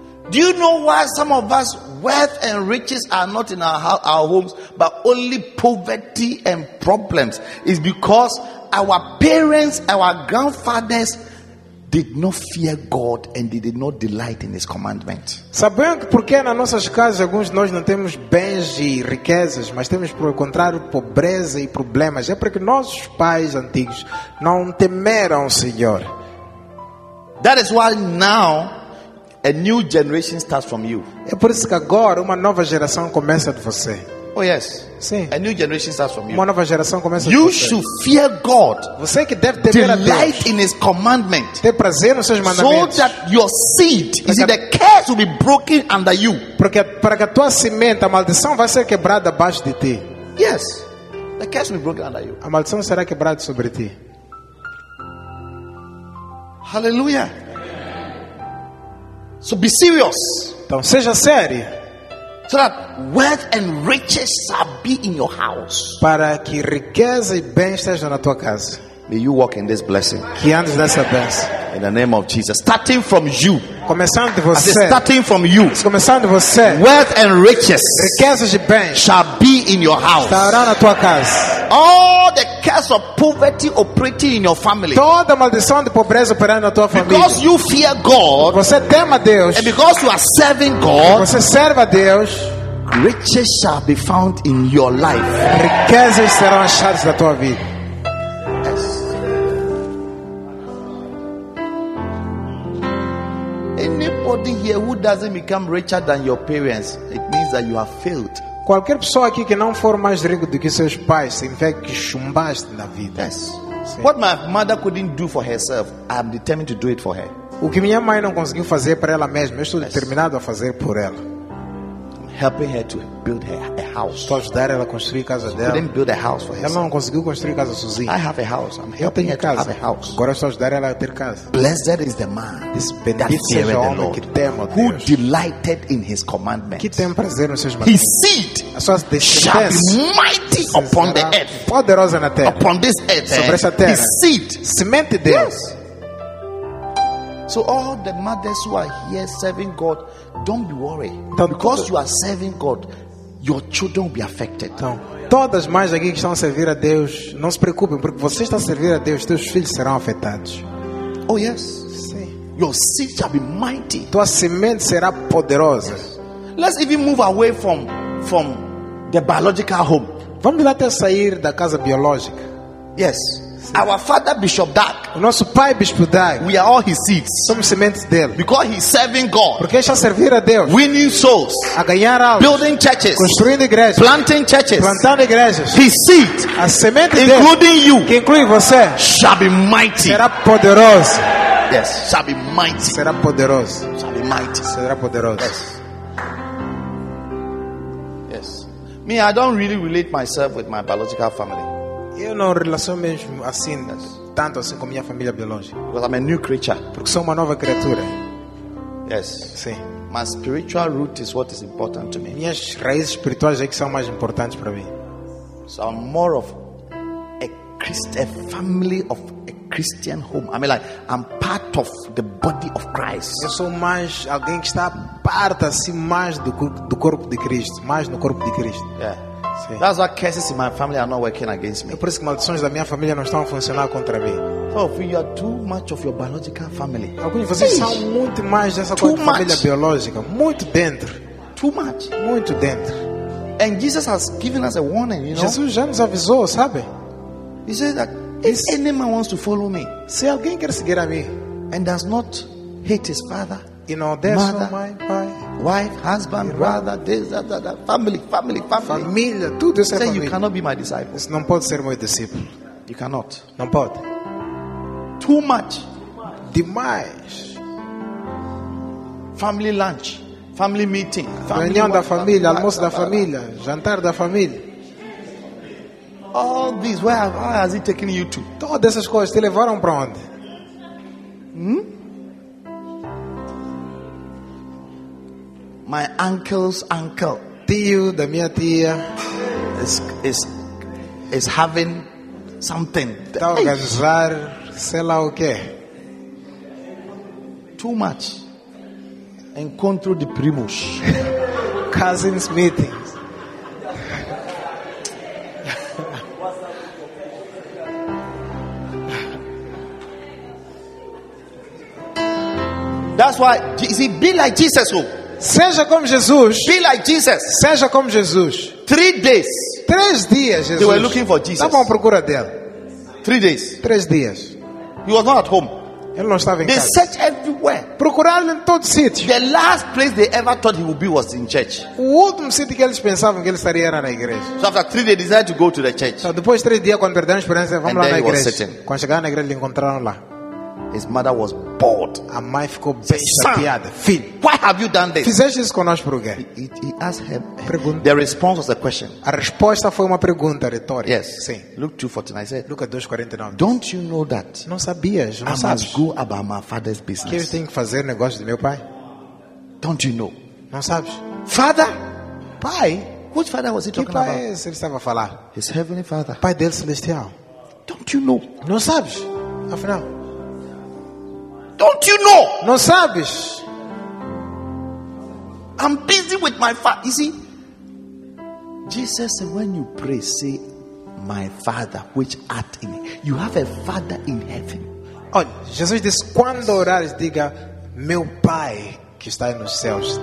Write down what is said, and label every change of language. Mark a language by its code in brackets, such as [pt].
[en] Do you know why some of us wealth and riches are not in our homes, but only poverty and problems. It's because our parents, our grandfathers, did not fear God and they did not delight in His commandment. [pt] Sabem porque nas nossas casas alguns de nós não temos bens e riquezas, mas temos por contrário pobreza e problemas. É porque nossos pais antigos não temeram o Senhor. [en] That is why now a new generation starts from you. [pt] É por isso que agora uma nova geração começa de você. [en] Oh yes. [pt] Sim. [en] A new generation starts from you. [pt] Uma nova geração começa [en] you [pt] de você. [en] You should fear God. [pt] Você que deve ter prazer. [en] Delight in His commandment. [pt] Ter prazer nos seus mandamentos. [en] So that your seed, is it, the curse will be broken under you. [pt] Porque para que a tua semente, a maldição vai ser quebrada abaixo de ti. [en] Yes. The curse will be broken under you. [pt] A maldição será quebrada sobre ti. [en] Hallelujah. So be serious. [pt] Então seja sério. [en] So that wealth and riches shall be in your house. [pt] Para que riqueza e bens estejam na tua casa. [en] May you walk in this blessing. [pt] Que andes nessa bênção. [en] In the name of Jesus. Starting from you. [pt] Começando de você. [en] I say, starting from you. [pt] Começando de você. [en] Wealth and riches. [pt] Riquezas e bens [en] shall be in your house. [pt] Estará na tua casa. [en] All the curse of poverty operating in your family. [pt] Toda maldição de pobreza operando na tua família. [en] Because you fear God. [pt] Você teme a Deus. [en] And because you are serving God. [pt] Você serve a Deus. [en] Riches shall be found in your life. [pt] Riquezas serão achadas na tua vida. [en] Anybody here who doesn't become richer than your parents, it means that you have failed. [pt] Qualquer pessoa aqui que não for mais rico do que seus pais, significa que chumbaste na vida. [en] Yes. What my mother couldn't do for herself, I am determined to do it for her. [pt] O que minha mãe não conseguiu fazer para ela mesma, eu estou determinado a fazer por ela. [en] Helping her to build her a house. [pt] Estou ajudar ela a construir a casa dela. [en] She couldn't build a house for herself. [pt] Ela não conseguiu construir casa sozinha. [en] I have a house. I'm helping her [pt] casa. [en] To have a house. [pt] Agora estou ajudar ela a ter casa. [en] Blessed is the man. [pt] This bendito seja o homem que teme a Deus. [en] Who delighted in His commandments. [pt] Que tem prazer nos seus [en] mandamentos. His seed. [pt] As suas descendências. [en] Shall be mighty upon the earth. [pt] Poderosa na terra. [en] Upon this earth. [pt] Sobre essa terra. [en] His seed. [pt] Semente deles. [en] Yes. So all the mothers who are here serving God, don't be worried. Because you are serving God, your children will be affected. [pt] Então, todas as mães aqui que estão a servir a Deus, não se preocupem, porque você está a servir a Deus, teus filhos serão afetados. [en] Oh yes. [pt] Sim. [en] Your seed shall be mighty. [pt] Tua semente será poderosa. [en] Let's even move away from the biological home. [pt] Vamos lá até sair da casa biológica. [en] Yes. Our father Bishop Dag. [pt] O nosso pai Bispo Dag. [en] We are all his seeds. [pt] Somos sementes dele. [en] Because he's serving God. [pt] Porque está a servir a Deus. [en] Winning souls. [pt] A ganhar almas. [en] Building churches. [pt] Construindo igrejas. [en] Planting churches. [pt] Plantando igrejas. [en] His seed. [pt] A semente [en] dele. Including you. [pt] Que inclui você. [en] Shall be mighty. [pt] Será poderoso. [en] Yes. Shall be mighty. [pt] Será poderoso. [en] Shall be mighty. [pt] Será poderoso. [en] Yes. Yes. Me, I don't really relate myself with my biological family. [pt] Eu não relaciono mesmo assim, tanto assim com minha família biológica. [en] Because I'm a new creature. [pt] Porque sou uma nova criatura. [en] Yes. [pt] Sim. [en] My spiritual root is what is important to me. [pt] Minhas raízes espirituais é que são mais importantes para mim. [en] So I'm more of a family of a Christian home. I mean, like, I'm part of the body of Christ. [pt] Eu sou mais alguém que está parte assim mais do corpo de Cristo, mais no corpo de Cristo. [en] Yeah. That's why curses in my family are not working against me. [pt] É por isso que maldições da minha família não estão a funcionar contra mim. [en] Oh, you are too much of your biological family. [pt] Alguns de vocês são muito mais dessa família biológica, muito dentro. [en] Too much, [pt] muito dentro. [en] And Jesus has given us a warning, you know. [pt] Jesus já nos avisou, sabe? [en] He said that if any man wants to follow me, [pt] se alguém quer seguir a mim, [en] and does not hate his father, you know, there's my wife, husband, brother, this, that, family. [pt] Família, tudo isso é família. [en] You cannot be my disciple. [pt] Não pode ser meu discípulo. [en] You cannot. [pt] Não pode. [en] Too much. [pt] Demais. [en] Family lunch. Family meeting. [pt] Reunião da família, almoço da família, jantar da família. [en] All these, where has it taken you to? [pt] Todas essas coisas te levaram para onde? [en] My uncle's uncle, [pt] tio da minha tia, [en] is having something. [pt] Tá organizar, sei lá o quê. [en] Too much. [pt] Encontro de primos. [en] Cousins meetings. That's why you see, be like Jesus. [pt] Seja como Jesus. [en] Be like Jesus. [pt] Seja como Jesus. [en] 3 days. [pt] 3 dias, Jesus. [en] They were looking for Jesus. [pt] Estavam à procura dele. [en] 3 days. [pt] 3 dias. [en] He was not at home. [pt] Ele não estava em casa. [en] They searched everywhere. [pt] Procuraram em todo sítio. [en] The last place they ever thought he would be was in church. [pt] O último sítio que eles pensavam que ele estaria era na igreja. [en] So after 3 days, they decided to go to the church. [pt] Então, depois de 3 dias, quando perderam a esperança, vamos [en] and [pt] lá na igreja. Quando chegaram na igreja, lhe encontraram lá. [en] His mother was bored. [pt] A mãe ficou bem chateada. Filho, [en] why have you done this? [pt] Fizeste isso conosco por quê? [en] He asked her. [pt] Pergunta. [en] The response was a question. [pt] A resposta foi uma pergunta retórica. [en] Yes. [pt] Sim. [en] Luke 2:49. I said. Luke 2:49. Don't you know that? [pt] Não sabias? Não [en] I [pt] sabes? [en] I must go about my father's business. [pt] Que eu tenho que fazer negócio do meu pai? [en] Don't you know? [pt] Não sabes? [en] Father, [pt] pai. [en] Which father was he talking [pt] pai [en] about? [pt] Que pai ele estava a falar? [en] His heavenly father. [pt] Pai dele celestial. [en] Don't you know? [pt] Não sabes? Afinal. [en] Don't you know? [pt] Não sabes? [en] I'm busy with my father. You see, Jesus said, when you pray, say, my father, which art in heaven. You have a father in heaven. [pt] Olha, Jesus disse, quando orares, diga, meu pai que está nos céus.